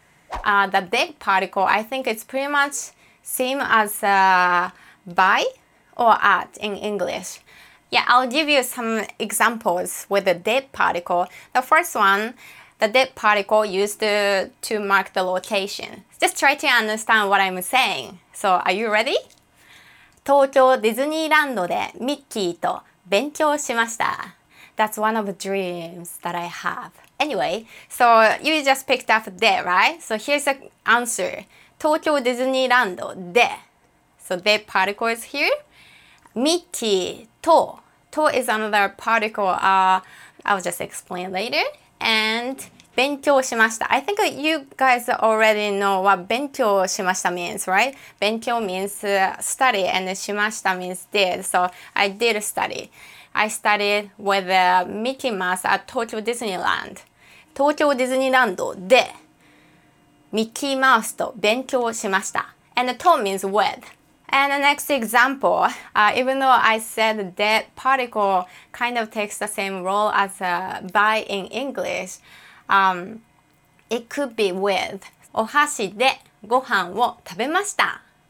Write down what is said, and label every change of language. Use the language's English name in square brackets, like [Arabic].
[English] The de particle, I think it's pretty much same as by or at in English. Yeah, I'll give you some examples with the de particle. The first one, the de particle used to mark the location. Just try to understand what I'm saying. So, are you ready? [Japanese] 東京 ディズニーランドでミッキーと勉強しました。 [English] That's one of the dreams that I have. Anyway, so you just picked up de, right? So here's the answer. [Japanese] 東京 ディズニーランドで. [English] So de particle is here. [Japanese] ミッキーと. [English] To is another particle. I'll just explain later. And [Japanese] 勉強しました. [English] I think you guys already know what [Japanese] 勉強しました [English] means, right? 勉強 means study and [Japanese] しました [English] means did. So I did study. I studied with Mickey Mouse at Tokyo Disneyland. [Japanese] 東京ディズニーランドで Mickey Mouse と勉強しました. [English] And to means with. And the next example, even though I said de particle kind of takes the same role as by in English, it could be with. [Japanese] お箸でご飯を食べました。